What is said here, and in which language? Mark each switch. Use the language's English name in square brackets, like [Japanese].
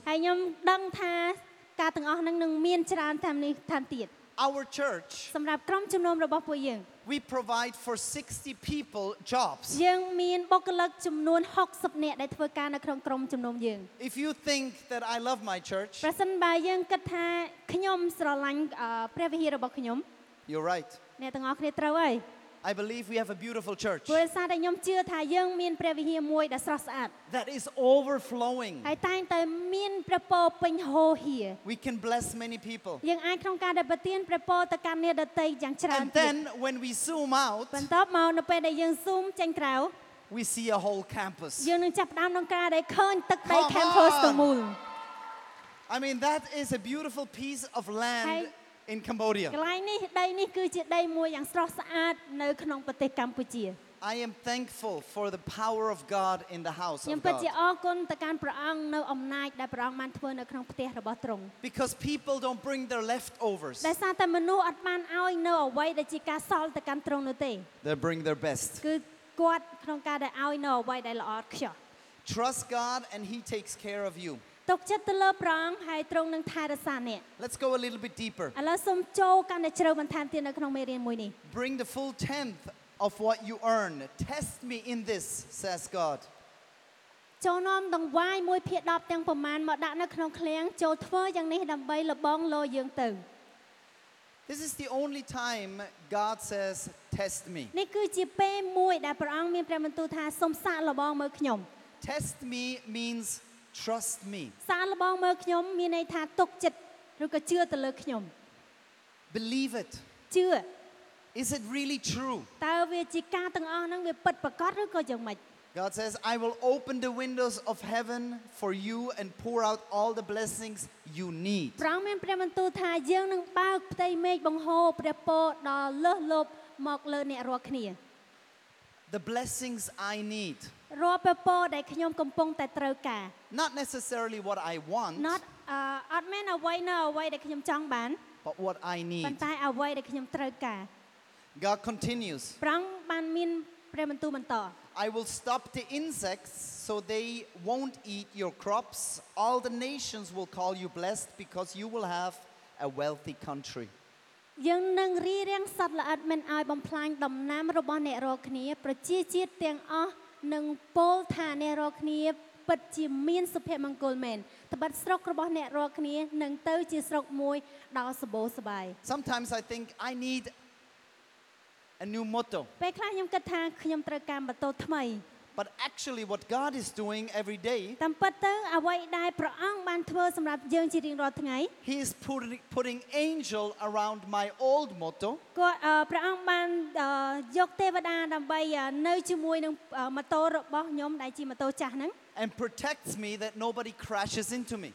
[Khmer] ហើយខ្ញុំដឹងថាការទាំងអស់ហ្នឹងនឹងមានច្រើនតាមនេះតាមទៀត [English] Our church [Khmer] សម្រាប់ក្រុមជំនុំរបស់ពួកយើង [English] We provide for 60 people jobs. [Khmer] យើងមានបុគ្គលិកចំនួន60នាក់ដែលធ្វើការនៅក្នុងក្រុមជំនុំយើង [English] If you think that I love my church [Khmer] ប្រសិនបើយើងគិតថាខ្ញុំស្រឡាញ់ព្រះវិហាររបស់ខ្ញុំ [English] You're right. [Khmer] អ្នកទាំងអស់គ្នាត្រូវហើយ [English] I believe we have a beautiful church. [Khmer] ព្រោះសារតែខ្ញុំជឿថាយើងមានព្រះវិហារមួយដែលស្អាតស្អាត [English] That is overflowing. [Khmer] ហើយតែងតែមានព្រះពរពេញហូរហៀរ [English] We can bless many people. [Khmer] យើងអាចក្នុងការដែលប្រទានព្រះពរទៅកាន់អ្នកដទៃយ៉ាងច្រើន [English] And then when we zoom out [Khmer] បន្ទាប់មកនៅពេលដែលយើង zoom ចេញក្រៅ [English] We see a whole campus. [Khmer] យើងនឹងចាប់ផ្ដើមក្នុងការដែលឃើញទឹកដី campus ទាំងមូល [English] I mean that is a beautiful piece of land. In Cambodia. [Khmer] កន្លែងនេះដីនេះគឺជាដីមួយយ៉ាងស្រស់ស្អាតនៅក្នុងប្រទេសកម្ពុជា [English] I am thankful for the power of God in the house of God. [Khmer] ខ្ញុំពិតជាអរគុណទៅកាន់ព្រះអង្គនៅអំណាចដែលព្រះអង្គបានធ្វើនៅក្នុងផ្ទះរបស់ទ្រង់ [English] Because people don't bring their leftovers. [Khmer] ដែលសារតែមនុស្សអត់បានឲ្យនៅអ្វីដែលជាការសល់ទៅកាន់ទ្រង់នោះទេ [English] They bring their best. [Khmer] គឺគាត់ក្នុងការដែលឲ្យនៅអ្វីដែលល្អខ្ចោះ [English] Trust God and he takes care of you. [Khmer] ទុកចិត្តទៅលើព្រះអង្គហើយទ្រង់នឹងថែរក្សាអ្នក [English] Let's go a little bit deeper. [Khmer] ឥឡូវសូមចូលកាន់តែជ្រៅបន្ថែមទៀតនៅក្នុងមេរៀនមួយនេះ [English] Bring the full tenth of what you earn. Test me in this, says God. [Khmer] ចូលនាំដង្វាយមួយភាគ10ទាំងប្រមាណមកដាក់នៅក្នុងឃ្លាំងចូលធ្វើយ៉ាងនេះដើម្បីលបងលោយើងទៅ [English] This is the only time God says, test me. [Khmer] នេះគឺជាពេលមួយដែលព្រះអង្គមានព្រះបន្ទូលថាសូមសាកលបងមើលខ្ញុំ [English] Test me means Trust me. [Khmer] សាកល្បងមើលខ្ញុំមានន័យថាទុកចិត្តឬក៏ជឿទៅលើខ្ញុំ [English] Believe it. [Khmer] ជឿ [English] Is it really true? [Khmer] តើវាជាការទាំងអស់ហ្នឹងវាពិតប្រាកដឬក៏យ៉ាងម៉េច [English] God says I will open the windows of heaven for you and pour out all the blessings you need. [Khmer] ព្រះមានព្រះបន្ទូលថាយើងនឹងបើកផ្ទៃមេឃបង្ហូរព្រះពរដល់លើសលប់មកលើអ្នករាល់គ្នា [English] The blessings I need. [Khmer] រាល់ព្រះពរដែលខ្ញុំកំពុងតែត្រូវការ [English] Not necessarily what I want. Not admin away now away [Khmer] ដែលខ្ញុំចង់បាន [English] But what I need. [Khmer] ប៉ុន្តែអ្វីដែលខ្ញុំត្រូវការ [English] God continues. [Khmer] ព្រះបានមានព្រះបន្ទូលបន្ត [English] I will stop the insects so they won't eat your crops. All the nations will call you blessed because you will have a wealthy country. [Khmer] យើងនឹងរៀបរៀងសត្វល្អិតមិនឲ្យបំផ្លាញដំណាំរបស់អ្នករាល់គ្នាប្រជាជាតិទាំងអស់នឹងពោលថាអ្នករាល់គ្នាពិតជាមានសុភមង្គលមែនត្បិតស្រុករបស់អ្នករាល់គ្នានឹងទៅជាស្រុកមួយដ៏សម្បូរសប្បាយ [English] Sometimes I think I need a new motto [Khmer] ពេលខ្លះខ្ញុំគិតថាខ្ញុំត្រូវការបន្ទោថ្មី [English] But actually what God is doing every day [Khmer] តាមពិតទៅអ្វីដែលព្រះអង្គបានធ្វើសម្រាប់យើងជារៀងរាល់ថ្ងៃ [English] He is putting angel around my old motto [Khmer] ក៏ព្រះអង្គបានយកទេវតាដើម្បីនៅជាមួយនឹងម៉ូតូរបស់ខ្ញុំដែលជាម៉ូតូចាស់ហ្នឹង [English] And protects me that nobody crashes into me